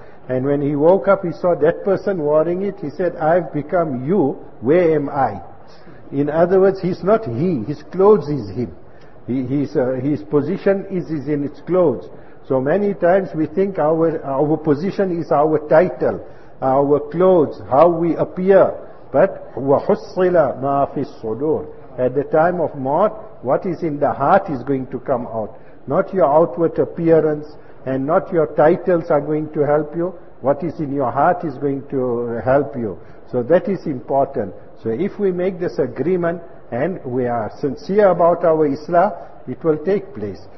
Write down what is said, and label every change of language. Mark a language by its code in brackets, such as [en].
[en] And when he woke up, he saw that person wearing it. He said, I've become you, where am I? In other words, he's not he, his clothes is him. His position is in its clothes. So many times we think our position is our title, our clothes, how we appear. [ar] But وَحُصِّلَ مَا فِي الصُّدُورِ. [en] At the time of mort, what is in the heart is going to come out. Not your outward appearance, and not your titles are going to help you. What is in your heart is going to help you. So that is important. So if we make this agreement and we are sincere about our Islah, it will take place.